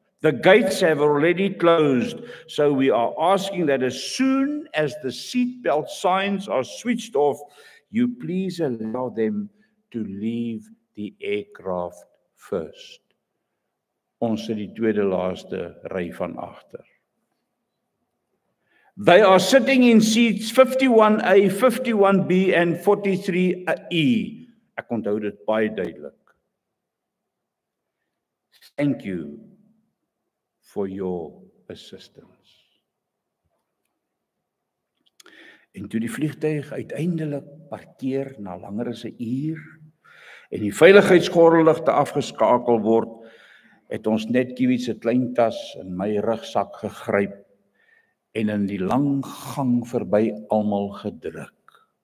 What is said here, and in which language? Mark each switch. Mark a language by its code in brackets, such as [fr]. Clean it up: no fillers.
[en] The gates have already closed, so we are asking that as soon as the seatbelt signs are switched off, you please allow them to leave the aircraft first." [af] Ons sit die tweede laaste ry van agter. [en] "They are sitting in seats 51A, 51B and 43E. [af] Ek onthou dit baie duidelik. [en] Thank you for your assistance." [af] En toe die vliegtuig uiteindelik parkeer na langer as 'n uur en die veiligheidsgordelligte afgeskakel word, het ons net Kiwi se klein tas in my rugsak gegryp en in die lang gang verby almal gedruk.